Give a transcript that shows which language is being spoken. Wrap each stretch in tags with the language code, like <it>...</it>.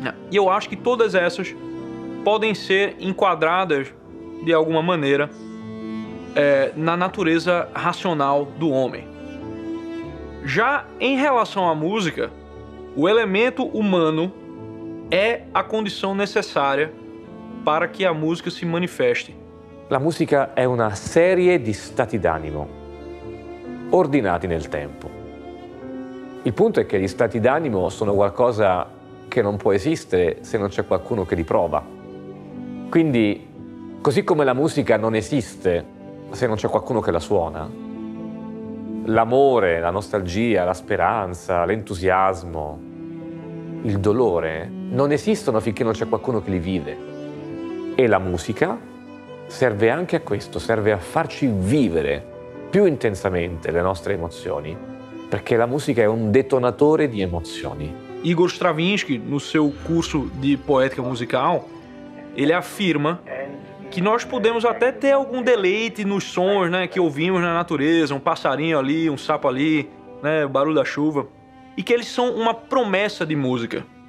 <pt>E eu acho que todas essas podem ser enquadradas, de alguma maneira, na natureza racional do homem. Já em relação à música, o elemento humano é a condição necessária para que a música se manifeste.</pt> <it>La musica è una serie di stati d'animo ordinati nel tempo. Il punto è che gli stati d'animo sono qualcosa che non può esistere se non c'è qualcuno che li prova. Quindi, così come la musica non esiste se non c'è qualcuno che la suona, l'amore, la nostalgia, la speranza, l'entusiasmo, il dolore non esistono finché non c'è qualcuno che li vive. E la musica serve anche a questo, serve a farci vivere più intensamente le nostre emozioni, perché la musica è un detonatore di emozioni.</it> <pt>Igor Stravinsky, no seu curso di poetica musical, ele afirma que nós podemos até ter algum deleite nos sons, né, que ouvimos na natureza, um passarinho ali, um sapo ali, né, o barulho da chuva, e que eles são uma promessa de música.</pt>